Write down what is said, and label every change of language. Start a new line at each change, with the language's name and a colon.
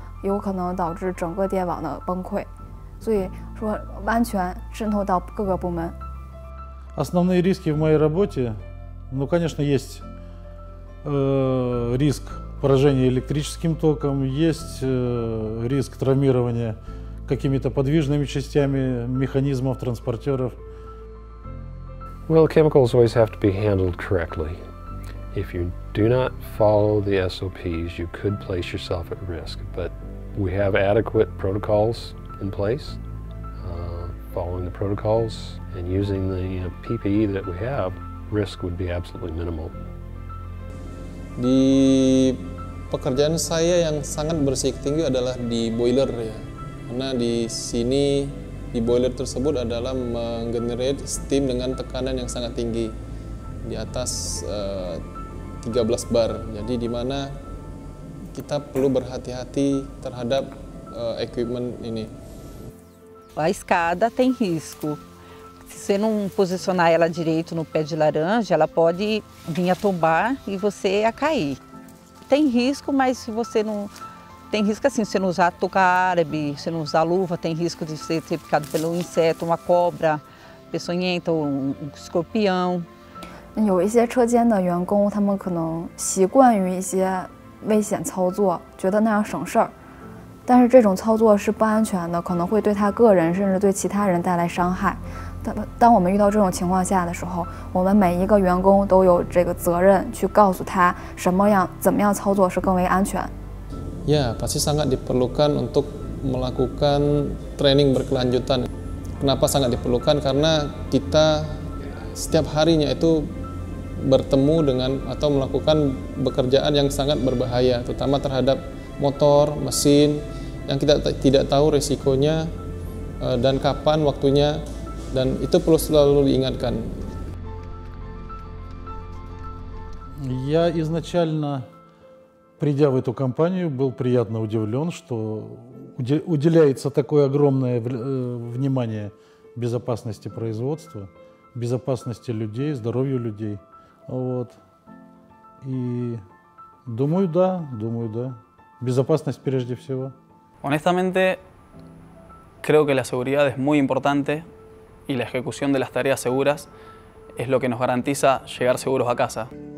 Chinese: 不同的车间有不同的安全要求，比如说压榨车间的进出不能带手机，还有一切跟电源火源有关的东西，因为会引起爆炸，而这个爆炸的危险性会导致整个车间和整个厂区的危险。但是其他的车间，比如说像电修，他们处理的电器如果要是超过负荷，有可能导致整个电网的崩溃。
Russian: Основные риски в моей работе, ну, конечно, есть риск поражения электрическим током, есть риск травмирования какими-то подвижными частями механизмов транспортеров.
English: Well, chemicals always have to be handled correctly. If you do not follow the SOPs, you could place yourself at risk. But we have adequate protocols in place. Following the protocols and using the PPE that we have, risk would be absolutely minimal.
Indonesian: Di pekerjaan saya yang sangat berisiko tinggi adalah di boiler ya. Karena di sini di boiler tersebut adalah menggenerate steam dengan tekanan yang sangat tinggi di atas 13 bar. Jadi di mana kita perlu berhati-hati terhadap equipment ini.
Portuguese: A escada tem risco. Se você não posicionar ela direito no pé de laranja, ela pode vir a tombar e você a cair. Tem risco, mas se você não... Tem risco assim, se você não usar touca árabe, se você não usar luva, tem risco de você ser picado pelo inseto, uma cobra, peçonhenta ou um escorpião. Tem alguns trabalhadores
Chinese: 但是这种操作是不安全的，可能会对他个人甚至对其他人带来伤害。当我们遇到这种情况下的时候，我们每一个员工都有这个责任去告诉他什么样怎么样操作是更为安全。Yeah,
Indonesian: pasti sangat diperlukan untuk melakukan training berkelanjutan. Kenapa sangat diperlukan? Karena kita setiap harinya itu bertemu dengan atau melakukan pekerjaan yang sangat berbahaya, terutama terhadap motor, mesin. Yang kita tidak tahu resikonya dan kapan waktunya dan itu perlu selalu diingatkan.
Russian: Я изначально, придя в эту компанию, был приятно удивлен, что уделяется такое огромное внимание безопасности производства, безопасности людей, здоровью людей. Вот. И думаю, да, Безопасность прежде всего.
Spanish: Honestamente, creo que la seguridad es muy importante y la ejecución de las tareas seguras es lo que nos garantiza llegar seguros a casa.